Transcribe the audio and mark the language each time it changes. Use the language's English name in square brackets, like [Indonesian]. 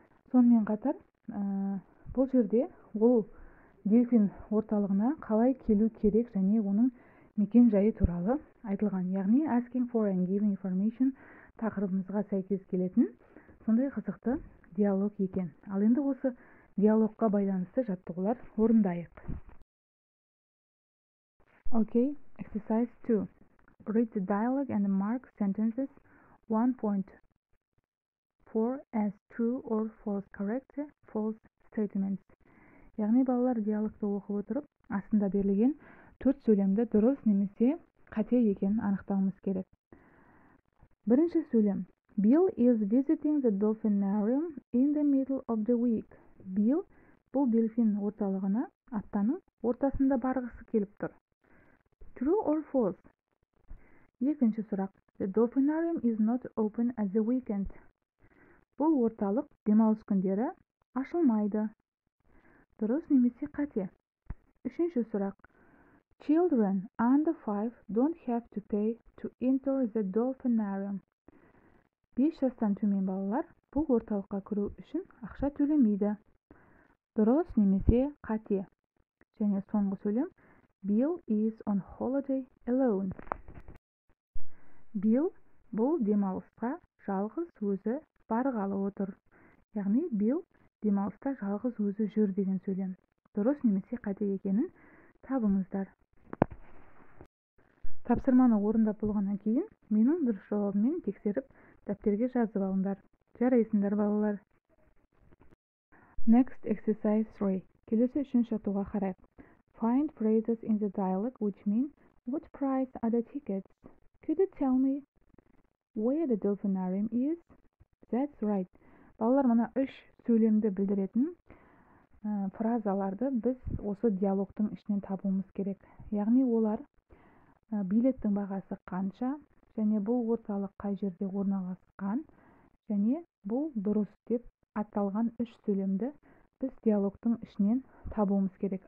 [Kazakh] Сонымен қатар, бұл жерде ол дельфин орталығына қалай келу керек және оның мекен жайы туралы айтылған, яғни [English] asking for and giving information [Kazakh] тақырыбымызға сәйкес келетін сондай қызықты диалог екен. Ал енді осы диалогқа байланысты жаттығулар орындайық. [English] Okay, exercise 2. Read the dialogue and mark sentences 1.4 as true or false. Correct false statements. [Kazakh] Яғни балалар диалогты оқып отырып, астында берілген 4 сөйлемді дұрыс немесе қате екенін анықтауымыз керек. Бірінші сөйлем. [English] Bill is visiting the Dolphinarium in the middle of the week. [Kazakh] Bill бұл дельфин орталығына аптаның ортасында барғысы келіп тұр. [English] True or false? [Kazakh] Екінші сұрақ. [English] The Dolphinarium is not open at the weekend. [Kazakh] Бұл орталық демалыс күндері ашылмайды. Дұрыс немесе қате? Үшінші сұрақ. [English] Children under 5 don't have to pay to enter the Dolphinarium. [Kazakh] 5 жастан төмен балалар бұл орталыққа кіру үшін ақша төлемейді. Дұрыс немесе қате? Және соңғы сөйлем. [English] Bill is on holiday alone. [Kazakh] Bill бұл демалысқа жалғыз өзі барғалы отыр. Яғни Bill демалыста жалғыз өзі жүр деген сөйлем. Дұрыс немесе қате екенін табыңыздар. Тапсырманы орындап болғаннан кейін, менің дұрыс жауабыммен тексеріп, дәптерге жазып алыңдар. Жарайсыңдар, балалар. [English] Next exercise 3. [Kazakh] Келесі үшінші жаттығуға қарайық. [English] Find phrases in the dialogue which mean what price are the tickets? Could you tell me where the Dolphinarium is? That's right. [Kazakh] Балалар, мына үш сөйлемді білдіретін фразаларды біз осы диалогтың ішінен табуымыз керек. Яғни олар билеттің бағасы қанша, және бұл орталық қай жерде орналасқан, және бұл дұрыс деп аталған үш сөйлемді біз диалогтың ішінен табуымыз керек.